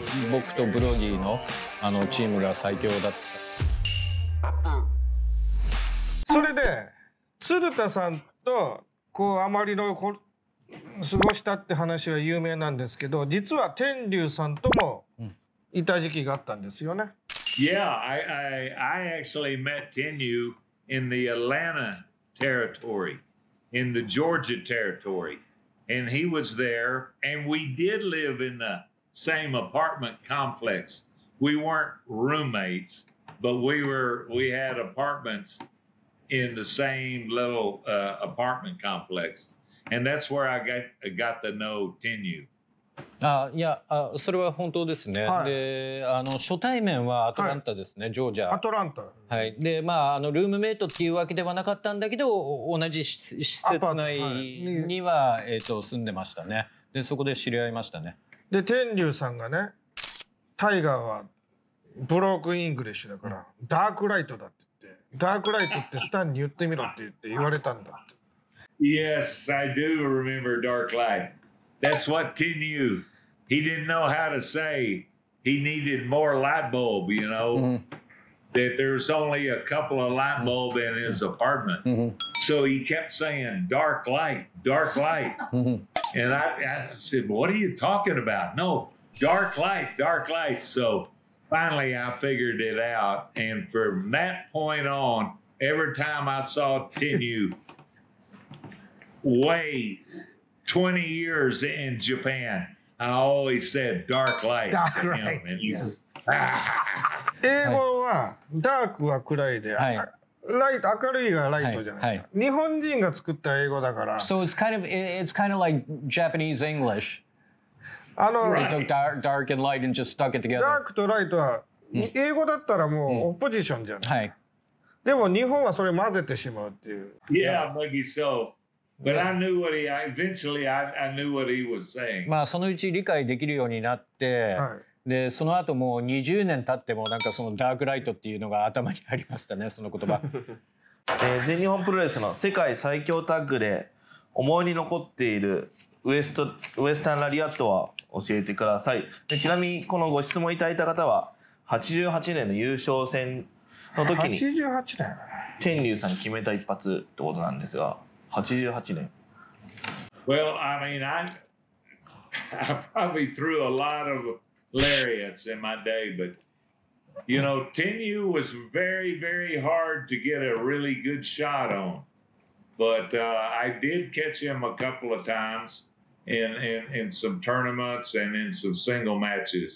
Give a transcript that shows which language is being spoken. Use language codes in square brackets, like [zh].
[ja] 僕とブロディのあのチームが最強だった。それで鶴田さんとこうあまりの過ごしたって話は有名なんですけど、実は天龍さんともいた時期があったんですよね。 [en] Yeah, I actually met 天龍 in the Atlanta territory, in the Georgia territory, and he was there, and we did live in theSame apartment complex. We weren't roommates, but we had apartments in the same little apartment complex. And that's where I got to know Tenyu. [ja] それは本当ですね。はい、で、あの初対面はアトランタですね、はい、ジョージア。アトランタ。はい。で、まあ、あのルームメイトっていうわけではなかったんだけど、同じ施設内には、はい、住んでましたね。で、そこで知り合いましたね。で天龍さんがね、タイガーはブロークイングリッシュだから、うん、ダークライトだって言って、ダークライトってスタンに言ってみろって言って言われたんだって。 [en] Yes, I do remember dark light. That's what Tin knew. He didn't know how to say he needed more light bulb, you know,、うん、that there's only a couple of light bulb in his apartment.、うん、so he kept saying dark light, dark light. 、うん、And I said, what are you talking about? No, dark light, dark light. So finally I figured it out. And from that point on, every time I saw Tenyu, way 20 years in Japan, I always said dark light. Dark light, him, yes. [ja] 英語はダークは暗いで、はい、ライト、明るいがライトじゃないですか、はいはい、日本人が作った英語だから。 [en] So it's kind of, it's kind of like Japanese English. あの、 They took dark, dark and light and just stuck it together. [ja] ダークとライトは英語だったらもうオポジションじゃないですか、うんうん、でも日本はそれ混ぜてしまうっていう。 [en] Yeah, maybe so. But I knew what he, eventually I knew what he was saying. [ja] まあそのうち理解できるようになって、はい、でその後もう20年経ってもなんかそのダークライトっていうのが頭にありましたね、その言葉。全日本プロレスの世界最強タッグで思いに残っているウエスタンラリアットは教えてください。でちなみにこのご質問いただいた方は88年の優勝戦の時に 88年、天龍さん決めた一発ってことなんですが、88年。 [en] Well, I mean, I probably threw a lot ofLariats in my day, but you know, Tenyu was very, very hard to get a really good shot on. But I did catch him a couple of times in some tournaments and in some single matches.